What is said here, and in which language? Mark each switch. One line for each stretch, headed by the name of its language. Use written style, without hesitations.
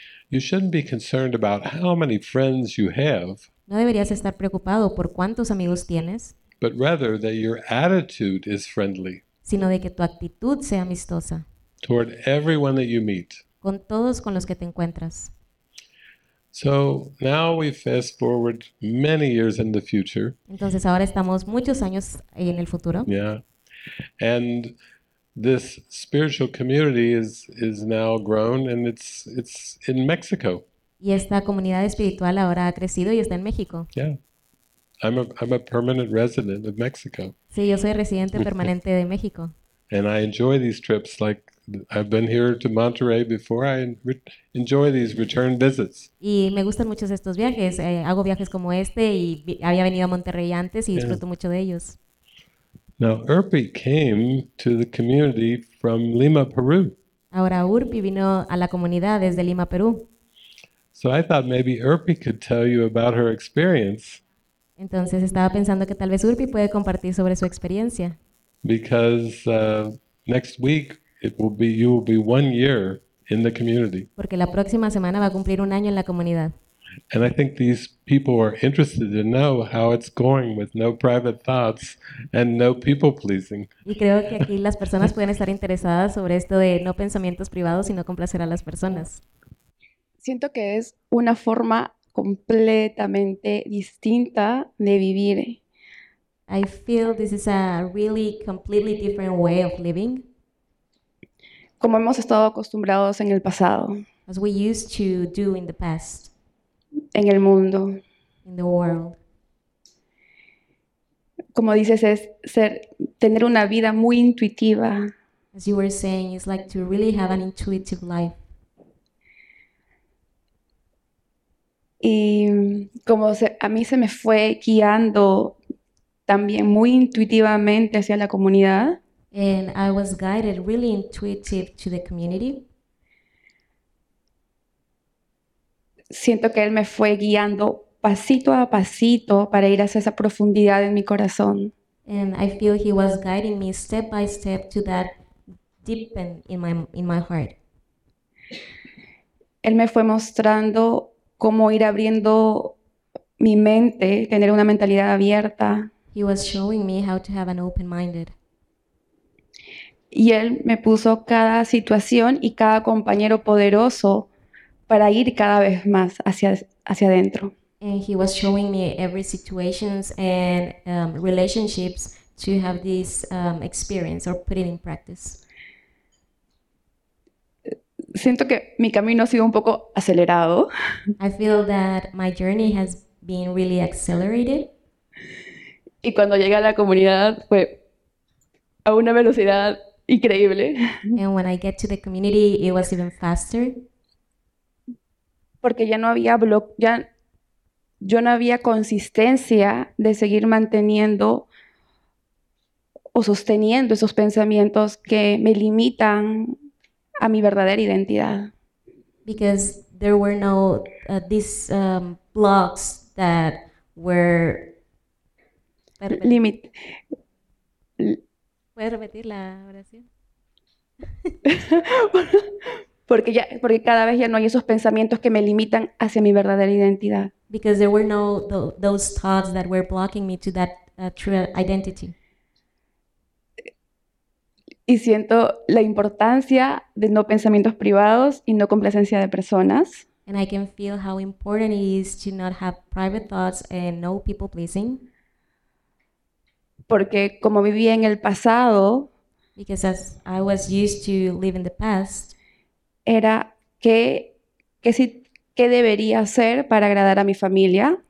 English: You shouldn't be concerned about how many friends you have,
Spanish: No deberías estar preocupado por cuántos amigos tienes,
English: but rather that your attitude is friendly
Spanish: sino de que tu actitud sea amistosa
English: toward everyone that you meet.
Spanish: con todos con los que te encuentras.
English: So now we fast forward many years in the future.
Spanish: Entonces ahora estamos muchos años ahí en el futuro.
English: Yeah. And this spiritual community is now grown and it's in Mexico.
Spanish: Y esta comunidad espiritual ahora ha crecido y está en México.
English: Yeah. I'm a permanent resident of Mexico.
Spanish: Sí, yo soy residente permanente de México.
English: And I enjoy these trips like I've been here to Monterrey before. I enjoy these return visits.
Spanish: Y me gustan mucho estos viajes. Hago viajes como este y había venido a Monterrey antes y
English: Yeah.
Spanish: disfruto mucho de ellos.
English: Now, Urpi came to the community from Lima, Peru.
Spanish: Ahora Urpi vino a la comunidad desde Lima, Perú.
English: So I thought maybe Urpi could tell you about her experience.
Spanish: Entonces estaba pensando que tal vez Urpi puede compartir sobre su experiencia.
English: Because next week it will be you will be 1 year in the community.
Spanish: Porque la próxima semana va a cumplir 1 año en la comunidad.
English: And I think these people are interested to know how it's going with no private thoughts and no people pleasing.
Spanish: Y creo que aquí las personas pueden estar interesadas sobre esto de no pensamientos privados y no complacer a las personas. Siento que es una forma completamente distinta de vivir.
English: I feel this is a really completely different way of living.
Spanish: Como hemos estado acostumbrados en el pasado.
English: As we used to do in the past.
Spanish: En el mundo.
English: In the world.
Spanish: Como dices, es tener una vida muy intuitiva.
English: As you were saying, it's like to really have an intuitive life.
Spanish: Y como a mí se me fue guiando también muy intuitivamente hacia la comunidad,
English: And I was guided really intuitive to the community.
Spanish: siento que él me fue guiando pasito a pasito para ir hacia esa profundidad en mi corazón.
English: And I feel he was guiding me step by step to that deepen in my heart.
Spanish: Él me fue mostrando cómo ir abriendo mi mente, tener una mentalidad abierta.
English: He was showing me how to have an open-minded.
Spanish: Y él me puso cada situación y cada compañero poderoso para ir cada vez más hacia adentro.
English: And he was showing me every situations and relationships to have this experience or put it in practice.
Spanish: Siento que mi camino ha sido un poco acelerado.
English: I feel that my journey has been really accelerated.
Spanish: Y cuando llegué a la comunidad fue a una velocidad increíble.
English: And when I get to the community, it was even faster.
Spanish: Porque ya no había ya yo no había consistencia de seguir manteniendo o sosteniendo esos pensamientos que me limitan a mi verdadera identidad.
English: Because there were no these blocks that were.
Spanish: ¿Puedes repetir la oración? Porque cada vez ya no hay esos pensamientos que me limitan hacia mi verdadera identidad.
English: Because there were no th those thoughts that were blocking me to that true identity.
Spanish: Y siento la importancia de no pensamientos privados y no complacencia de personas.
English: And I can feel how important it is to not have private thoughts and no people pleasing.
Spanish: Porque como vivía en el pasado,
English: Because as I was used to live in the past,
Spanish: era qué debería hacer para agradar a mi familia.